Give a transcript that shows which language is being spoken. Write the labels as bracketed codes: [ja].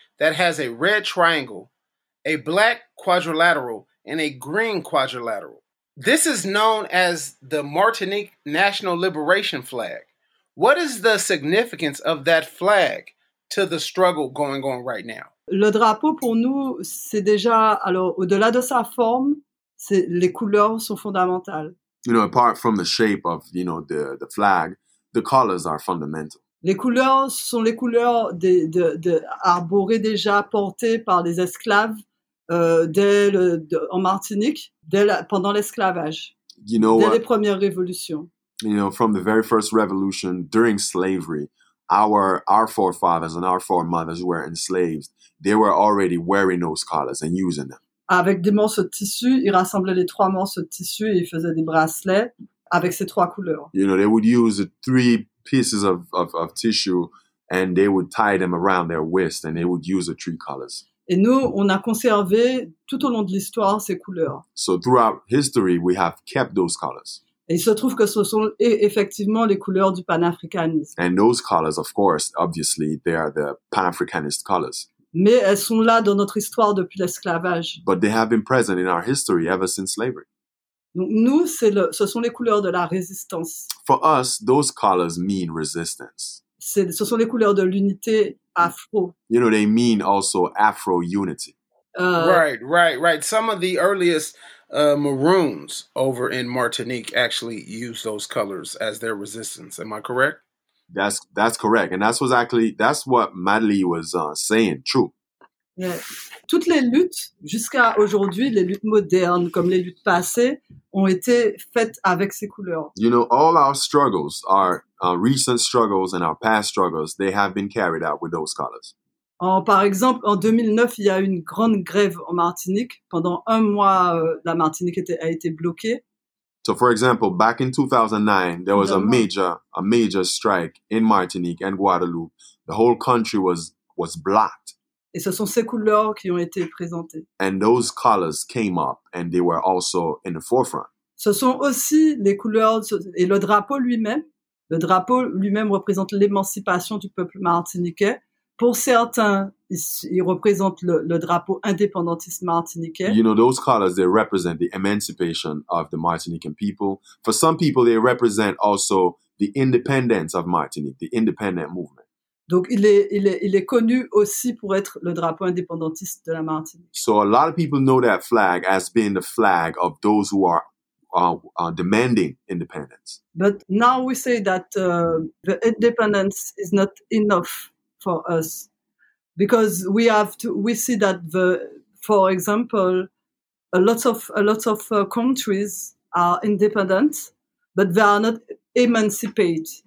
[en] that has a red triangle, a black quadrilateral, and a green quadrilateral. This is known as the Martinique National Liberation Flag. What is the significance of that flag to the struggle going on right now? [fr] Le drapeau pour nous, c'est déjà, alors au-delà de sa forme, c'est, les couleurs sont fondamentales. [en] You know, apart from the shape of, you know, the flag, the colors are fundamental. [fr] Les couleurs sont les couleurs de arborées déjà portées par les esclaves en Martinique pendant l'esclavage. [en] You know, [fr] dès les premières révolutions. [en] You know, from the very first revolution during slavery, our forefathers and our foremothers were enslaved. They were already wearing those collars and using them. [fr] Avec des morceaux de tissu, ils rassemblaient les trois morceaux de tissu et ils faisaient des bracelets avec ces trois couleurs. [en] You know, they would use three pieces of tissue and they would tie them around their waist and they would use the three colors. [fr] Et nous, on a conservé tout au long de l'histoire ces couleurs. [en] So throughout history, we have kept those colors. [fr] Et il se trouve que ce sont effectivement les couleurs du panafricanisme. [en] And those colors, of course, obviously, they are the panafricanist colors. [fr] Mais elles sont là dans notre histoire depuis l'esclavage. [en] But they have been present in our history ever since slavery. [fr] Donc nous, ce sont les couleurs de la résistance. [en] For us, those colors mean resistance. [fr] Ce sont les couleurs de l'unité afro. [en] You know, they mean also Afro-unity. Right. Some of the earliest Maroons over in Martinique actually use those colors as their resistance. Am I correct? That's correct. And that's what Madeleine was saying. True. Yeah. [fr] Toutes les luttes jusqu'à aujourd'hui, les luttes modernes comme les luttes passées, ont été faites avec ces couleurs. [en] You know, all our struggles, our recent struggles and our past struggles, they have been carried out with those colors. [fr] Par exemple, en 2009, il y a eu une grande grève en Martinique. Pendant un mois, la Martinique a été bloquée. [en] So, for example, back in 2009, there was a major strike in Martinique and Guadeloupe. The whole country was blocked. [fr] Et ce sont ces couleurs qui ont été présentées. [en] And those colors came up and they were also in the forefront. [fr] Ce sont aussi les couleurs et le drapeau lui-même. Le drapeau lui-même représente l'émancipation du peuple martiniquais. Pour certains, ils représentent le drapeau indépendantiste martiniquais. [en] You know, those colors, they represent the emancipation of the Martinican people. For some people, they represent also the independence of Martinique, the independent movement. [fr] Donc, il est connu aussi pour être le drapeau indépendantiste de la Martinique. [en] So, a lot of people know that flag as being the flag of those who are demanding independence. But now we say that the independence is not enough for us, because we see that for example, a lot of countries are independent, but they are not emancipate.